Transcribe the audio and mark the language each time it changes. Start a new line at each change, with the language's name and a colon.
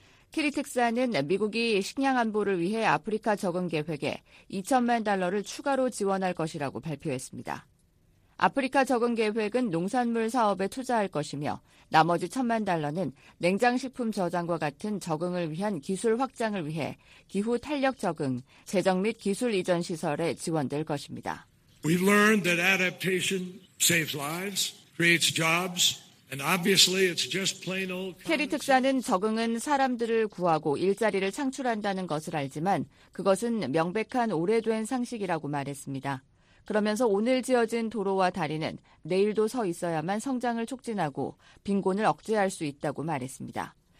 Korean: 케리 특사는 미국이 식량 안보를 위해 아프리카 적응 계획에 2천만 달러를 추가로 지원할 것이라고 발표했습니다. 아프리카 적응 계획은 농산물 사업에 투자할 것이며 나머지 1천만 달러는 냉장식품 저장과 같은 적응을 위한 기술 확장을 위해 기후 탄력 적응, 재정 및 기술 이전 시설에 지원될 것입니다.
English: We've learned that adaptation saves lives, creates jobs. And obviously it's just plain old common sense.
Korean: 케리 특사는 적응은 사람들을 구하고 일자리를 창출한다는 것을 알지만 그것은 명백한 오래된 상식이라고 말했습니다. 그러면서 오늘 지어진 도로와 다리는 내일도 서 있어야만 성장을 촉진하고 빈곤을 억제할 수 있다고 말했습니다.